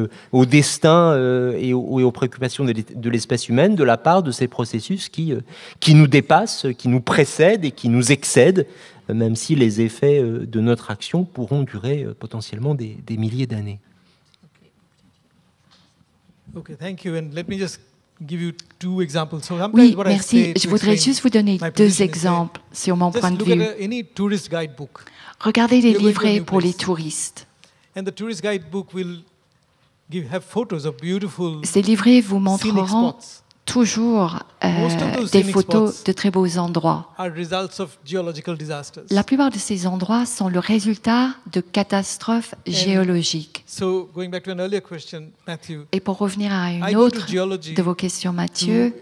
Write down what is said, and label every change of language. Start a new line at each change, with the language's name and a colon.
French: au destin et aux préoccupations de l'espèce humaine de la part de ces processus qui nous dépassent, qui nous précèdent et qui nous excèdent, même si les effets de notre action pourront durer potentiellement des milliers d'années.
English: Okay, thank you. And let me just give you two examples. So
French: oui, merci. Je voudrais juste vous donner deux exemples sur mon point de vue.
English: Any tourist guidebook.
French: Regardez les livrets pour les touristes.
English: And the tourist guidebook will have photos of beautiful.
French: Ces livrets vous montreront toujours des photos de très beaux endroits.
English: Are results of geological disasters.
French: La plupart de ces endroits sont le résultat de catastrophes géologiques.
English: So going back to an earlier question, Matthew.
French: Et pour revenir à une autre de vos questions, Mathieu.